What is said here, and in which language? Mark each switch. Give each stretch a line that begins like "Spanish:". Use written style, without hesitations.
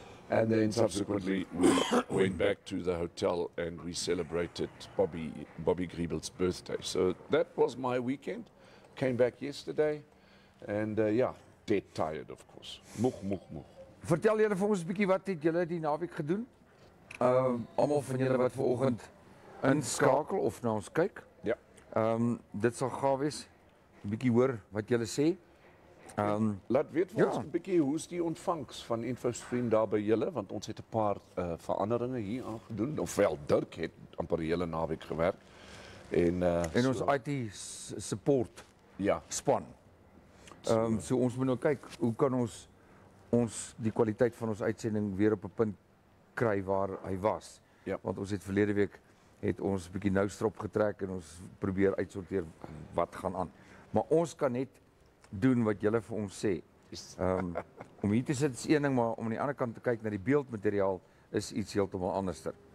English: And then subsequently we went back to the hotel and we celebrated Bobby Griebel's birthday. So that was my weekend. Came back yesterday and dead tired, of course.
Afrikaans: Moeg. Vertel julle vir ons 'n bietjie, wat het julle die naweek gedoen? Almal van julle wat vanoggend inskakel of na ons kyk. Ja. Dit sal gaaf wees. 'N bietjie hoor wat julle sê. Laat weet vir ons 'n bietjie, hoe's die ontvangs van Infostream daar by julle, want ons het 'n paar veranderinge hier aangedoen. Ofwel Dirk het amper die hele naweek gewerk. En ons IT support. Ja. Span. So ons moet nou kyk, hoe kan ons die kwaliteit van ons uitsending weer op 'n punt kry waar hy was. Ja. Want ons het verlede week het ons 'n bietjie nou strop getrek en ons probeer uitsorteer wat gaan aan. Maar ons kan net doen wat julle vir ons sê. Om hier te sit is een ding, maar om aan die ander kant te kyk na die beeldmateriaal is iets heeltemal anderster.